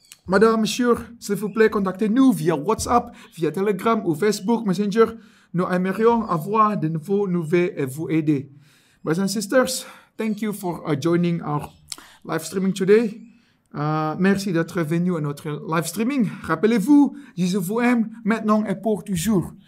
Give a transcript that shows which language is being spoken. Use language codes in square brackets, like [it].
[fr] Madame, monsieur, s'il vous plaît, contactez-nous via WhatsApp, via Telegram ou Facebook Messenger. Nous aimerions avoir de nouveaux nouvelles et vous aider. [en] Brothers and sisters, thank you for joining our live streaming today. [fr] Merci d'être venu à notre live streaming. Rappelez-vous, Jésus vous aime maintenant et pour toujours.